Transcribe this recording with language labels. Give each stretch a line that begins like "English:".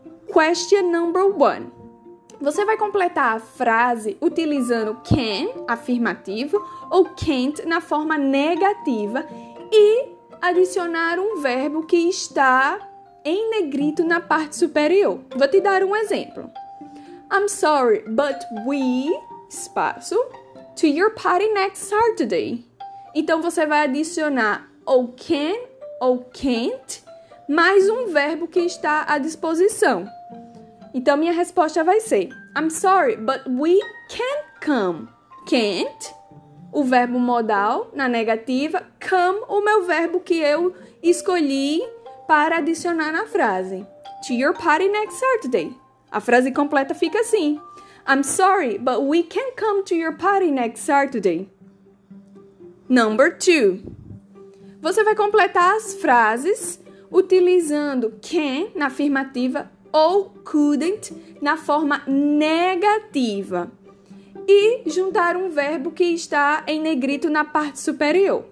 English: Question number one.
Portuguese: Você vai completar a frase utilizando can, afirmativo, ou can't, na forma negativa, e adicionar um verbo que está em negrito na parte superior. Vou te dar um exemplo.
English: I'm sorry, but we, espaço, to your party next Saturday.
Portuguese: Então, você vai adicionar ou can ou can't mais um verbo que está à disposição. Então, minha resposta vai ser
English: I'm sorry, but we can come.
Portuguese: Can't, o verbo modal na negativa. Come, o meu verbo que eu escolhi para adicionar na frase.
English: To your party next Saturday.
Portuguese: A frase completa fica assim.
English: I'm sorry, but we can come to your party next Saturday. Number 2.
Portuguese: Você vai completar as frases utilizando can na afirmativa ou couldn't na forma negativa e juntar um verbo que está em negrito na parte superior.